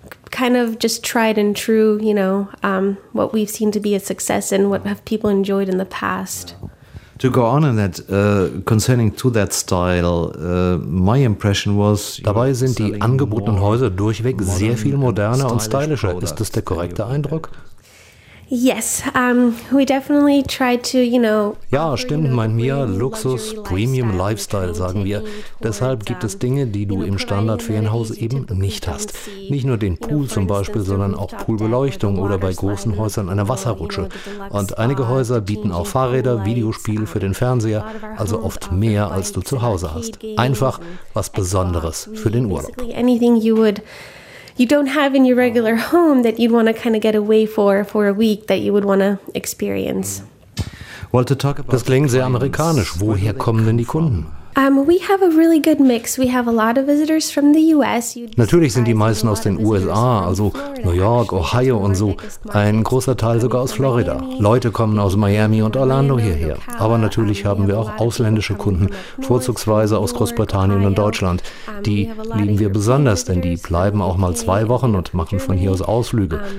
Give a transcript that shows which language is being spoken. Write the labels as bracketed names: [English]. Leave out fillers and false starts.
[English] Kind of just tried and true, you know, what we've seen to be a success and what have people enjoyed in the past. To go on in that, concerning to that style, my impression was... [German] Dabei sind die angebotenen Häuser durchweg sehr viel moderner und stylischer. Ist das der korrekte Eindruck? [English] Yes, we definitely try to, you know... [German] Ja, stimmt, meint Mia, Luxus, Premium Lifestyle, sagen wir. Deshalb gibt es Dinge, die du im Standard-Ferienhaus eben nicht hast. Nicht nur den Pool zum Beispiel, sondern auch Poolbeleuchtung oder bei großen Häusern eine Wasserrutsche. Und einige Häuser bieten auch Fahrräder, Videospiel für den Fernseher, also oft mehr, als du zu Hause hast. Einfach was Besonderes für den Urlaub. [English] Anything you would... You don't have in your regular home that you'd want to kind of get away for a week that you would want to experience. [German] Das klingt sehr amerikanisch. Woher kommen denn die Kunden? [English] We have a really good mix. We have a lot of visitors from the US. [German] Natürlich sind die meisten aus den USA, also New York, Ohio und so. Ein großer Teil sogar aus Florida. Leute kommen aus Miami und Orlando hierher. Aber natürlich haben wir auch ausländische Kunden, vorzugsweise aus Großbritannien und Deutschland. Die lieben wir besonders, denn die bleiben auch mal 2 Wochen und machen von hier aus Ausflüge.